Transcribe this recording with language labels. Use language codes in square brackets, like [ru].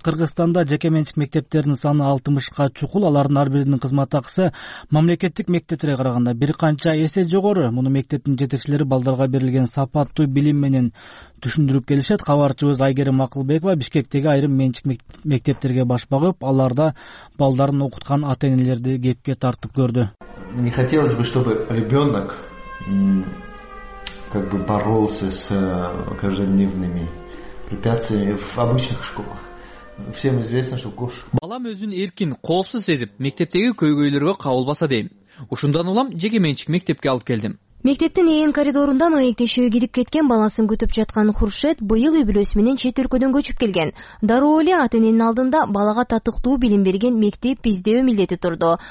[ky] Кыргызстанда жеке менчик мектептердин саны 60 чукул, алардын ар биринин кызмат акысы мамлекеттик мектептерге караганда бир канча эсе жогору. Муну мектептин жетекчилери балдарга берилген сапаттуу билим менен түшүндүрүп келишет. Кабарчыбыз Айгерим Акылбекова Бишкектеги айрым менчик мектептерге баш багып, аларда балдарын окуткан ата энелерди кепке тартып көрдү. [ru] Не хотелось бы, чтобы ребенок как бы боролся с каждодневными препятствиями в обычных школах. Всем известно, что кош. [ky] Балам өзүн эркин, коопсуз сезип, мектептеги көйгөйлөргө кабылбаса дейм. Ушундан улам жеке менчик мектепке алып келдим. Мектептин ээн коридорунда маектешүү кирип кеткен баласын күтүп жаткан Хуршет быйыл үй бүлөсү менен чет өлкөдөн көчүп келген. Дароо эле ата эненин алдында балага татыктуу билим берген мектеп издөө милдети турду.